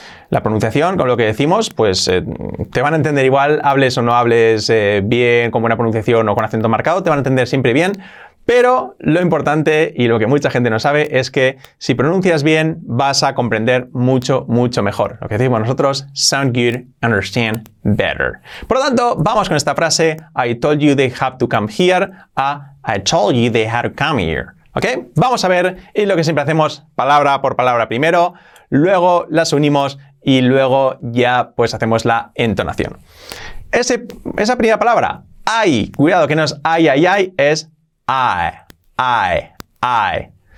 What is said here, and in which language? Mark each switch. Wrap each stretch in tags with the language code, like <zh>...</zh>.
<es>La pronunciación, con lo que decimos, pues te van a entender igual, hables o no hables bien, con buena pronunciación o con acento marcado, te van a entender siempre bien. Pero lo importante y lo que mucha gente no sabe es que si pronuncias bien, vas a comprender mucho, mucho mejor. Lo que decimos nosotros,</es> <en>sound good, understand better.</en> <es>Por lo tanto, vamos con esta frase,</es> <en>I told you they have to come here,</en> <es>a</es> <en>I told you they had to come here.</en> <es>¿Ok? Vamos a ver, y lo que siempre hacemos, palabra por palabra primero, luego las unimos y luego ya pues hacemos la entonación. Esa primera palabra, I, cuidado que no es I, es I.</es>